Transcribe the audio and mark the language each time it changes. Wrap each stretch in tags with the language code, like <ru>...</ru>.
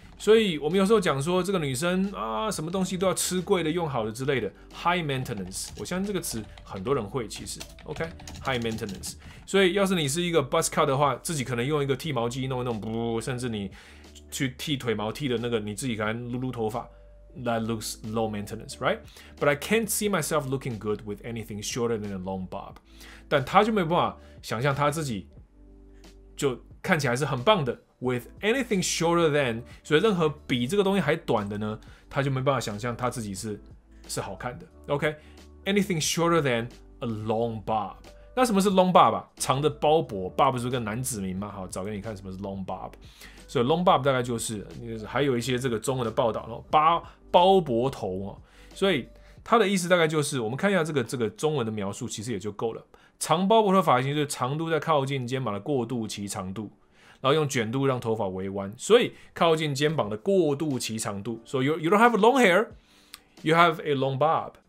<zh>所以我们有时候讲说，这个女生啊，什么东西都要吃贵的、用好的之类的 ，high maintenance. 我相信这个词很多人会，其实 ，OK, high maintenance. 所以要是你是一个 buzz cut 的话，自己可能用一个剃毛机弄一弄，不，甚至你去剃腿毛剃的那个，你自己可能撸撸头发。</zh> <en>That looks low maintenance, right? But I can't see myself looking good with anything shorter than a long bob.</en> <zh>但他就没办法想象他自己就看起来是很棒的</zh> <en>with anything shorter than，</en> <zh>所以任何比这个东西还短的呢，他就没办法想象他自己是好看的。OK，</zh> <en>anything shorter than a long bob。</en> <zh>那什么是 long bob 啊？长的包脖 ，bob 是个男子名嘛？好，找给你看什么是 long bob。所以 long bob 大概就是，还有一些这个中文的报道，包脖头啊。所以它的意思大概就是，我们看一下这个中文的描述，其实也就够了。长包脖的发型就是长度在靠近肩膀的过渡期长度，然后用卷度让头发微弯，所以靠近肩膀的过渡期长度。</zh> <en>So you don't have a long hair, you have a long bob.</en>